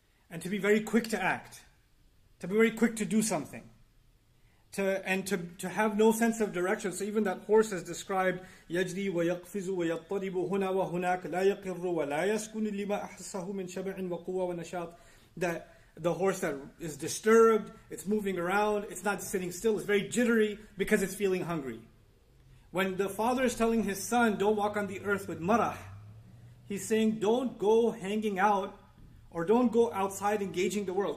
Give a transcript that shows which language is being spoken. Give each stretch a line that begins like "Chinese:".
English: And to be very quick to act. To be very quick to do something. To have no sense of direction. So even that horse is described,
Arabic: يَجْدِي وَيَقْفِزُ وَيَطَّرِبُ هُنَا وَهُنَاكَ لَا يَقِرُّ وَلَا يَسْكُنُ لِمَا أَحْسَهُ مِنْ شَبَعٍ وَقُوَّ وَنَشَاطٍ.
English: That the horse that is disturbed, it's moving around, it's not sitting still, it's very jittery because it's feeling hungry. When the father is telling his son, don't walk on the earth with marah, he's saying, don't go hanging out or don't go outside engaging the world.